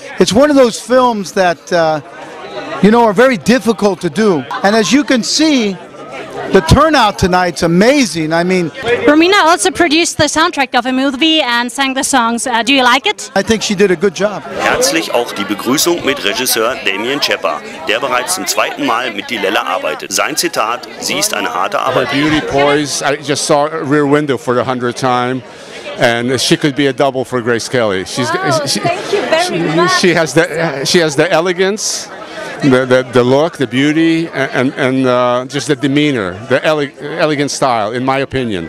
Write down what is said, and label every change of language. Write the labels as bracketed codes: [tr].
[en] It's one of those films that, you know, are very difficult to do. And as you can see, the turnout tonight's amazing. I mean, Romina also produced the soundtrack of a movie and sang the songs. Do you like it? I think she did a good job. [de] Herzlich auch die Begrüßung mit Regisseur Damian Chapa, der bereits zum zweiten Mal mit Di Lella arbeitet. Sein Zitat: Sie ist eine harte Arbeit. [en] Her beauty poise. I just saw a Rear Window for the 100th time, and she could be a double for Grace Kelly. She's, wow, thank you very much. She has the elegance. The look, the beauty, and just the demeanor, the elegant style, in my opinion.